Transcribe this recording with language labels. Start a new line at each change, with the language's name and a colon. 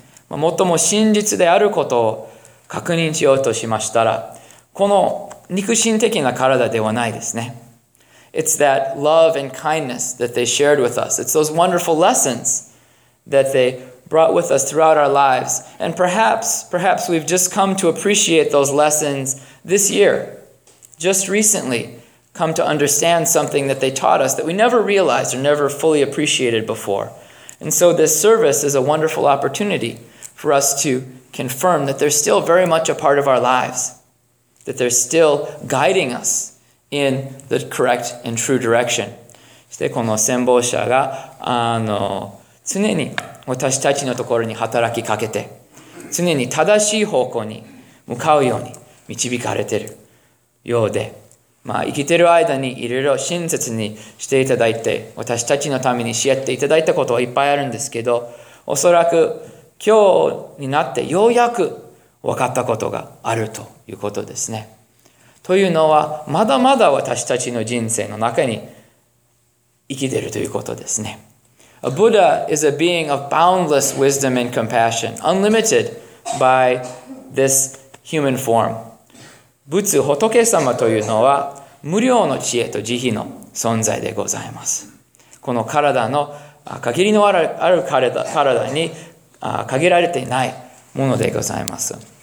Japanese: 最も真実であることを確認しようとしましたら、この肉身的な体ではないですね。
English: It's that love and kindness that they shared with us. It's those wonderful lessons that they brought with us throughout our lives. And perhaps we've just come to appreciate those lessons this year, just recently, come to understand something that they taught us that we never realized or never fully appreciated before. And so this service is a wonderful opportunity for us to confirm that they're still very much a part of our lives, that they're still guiding us in the correct and true direction.
Japanese: そしてこの戦没者が常に私たちのところに働きかけて、常に正しい方向に向かうように導かれているようで、まあ、生きている間にいろいろ親切にしていただいて、私たちのためにしやっていただいたことはいっぱいあるんですけど、おそらく今日になってようやく分かったことがあるということですね。というのは、まだまだ私たちの人生の中に生きているということですね。
English: A Buddha is a being of boundless wisdom and compassion, unlimited by this human form.
Japanese: 仏様というのは無量の知恵と慈悲の存在でございます。この体の限りのある体に限られていないものでございます。